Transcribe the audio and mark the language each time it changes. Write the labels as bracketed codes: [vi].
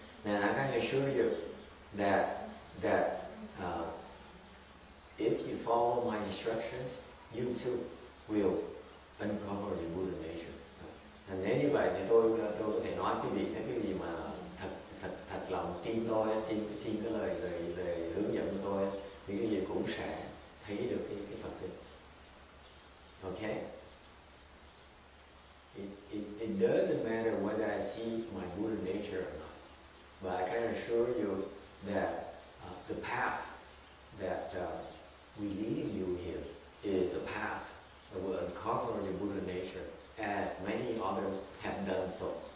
[en] Now I can assure you that if you follow my instructions, you too will uncover your Buddha nature. And anyway, [vi] thì tôi có thể nói quý vị, nếu quý vị mà thật lòng tin tôi, tin cái lời hướng dẫn của tôi, thì quý vị cũng sẽ thấy được cái Phật tánh. [en] Okay. It doesn't matter whether I see my Buddha nature or not, but I can assure you that the path that we leading you here is a path that will uncover your Buddha nature, as many others have done so.